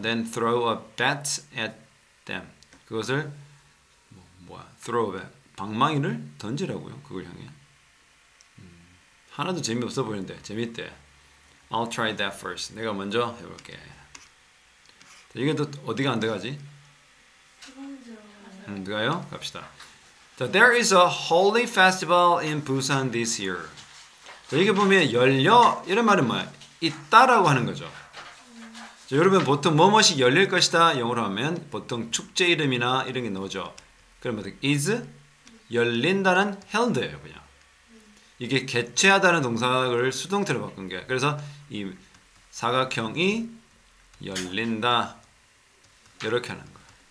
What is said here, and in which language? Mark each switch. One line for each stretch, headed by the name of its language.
English: Then throw a bat at them.
Korean: 그것을 뭐야?
English: Throw a bat.
Korean: 방망이를 던지라고요. 그걸 향해. 하나도 재미없어 보이는데 재밌대.
English: I'll try that first.
Korean: 내가 먼저 해볼게. 이게 또 어디가 안 돼가지? 안 돼가요? 갑시다.
English: 자, There is a holy festival in Busan this year.
Korean: 자, 이게 보면 열려 이런 말은 뭐야? 있다라고 하는 거죠. 자, 여러분 보통 뭐뭇이 열릴 것이다 영어로 하면 보통 축제 이름이나 이런 게 나오죠. 그러면 is 열린다는 held예요, 그냥. 이게 개최하다는 동사를 수동태로 바꾼 게. 그래서 이 사각형이 열린다. 이렇게 하는 거야.